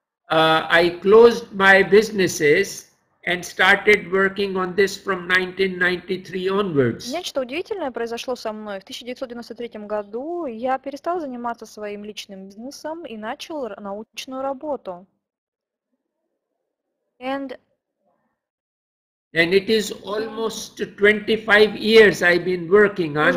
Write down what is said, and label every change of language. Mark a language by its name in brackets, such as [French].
[English] I closed my businesses and started working on this from 1993 onwards. [Russian] Нечто удивительное произошло со мной. В 1993 году я перестал заниматься своим личным бизнесом и начал научную работу. [English] And it is almost 25 years I've been working on it.